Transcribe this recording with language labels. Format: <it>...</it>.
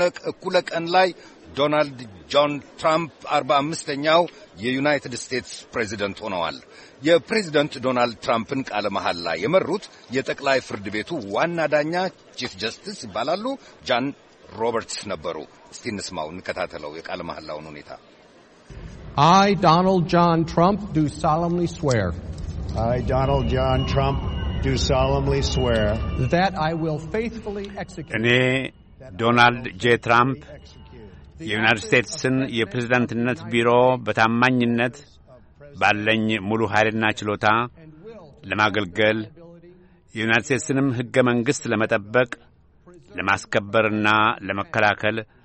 <am>እኩለ ቀን ላይ ዶናልድ ጆን ትራምፕ 45ኛው የዩናይትድ ስቴትስ ፕሬዚደንት ሆነዋል። የፕሬዚደንት ዶናልድ ትራምፕን ቃለ መሐላ የመሩት የጠቅላይ ፍርድ ቤቱ ዋና ዳኛ ቺፍ ጀስቲስ ይባላሉ፣ ጃን ሮበርትስ ነበሩ። እስቲ እንስማው፣ እንከታተለው የቃለ መሐላውን ሁኔታ።</am> <en>I, Donald John Trump, do solemnly swear. I, Donald John Trump, do solemnly swear that I will faithfully execute.</en> <am>እኔ ዶናልድ ጄ ትራምፕ የዩናይትድ ስቴትስን የፕሬዝዳንትነት ቢሮ በታማኝነት ባለኝ ሙሉ ኃይልና ችሎታ ለማገልገል የዩናይትድ ስቴትስንም ሕገ መንግሥት ለመጠበቅ ለማስከበርና ለመከላከል</am>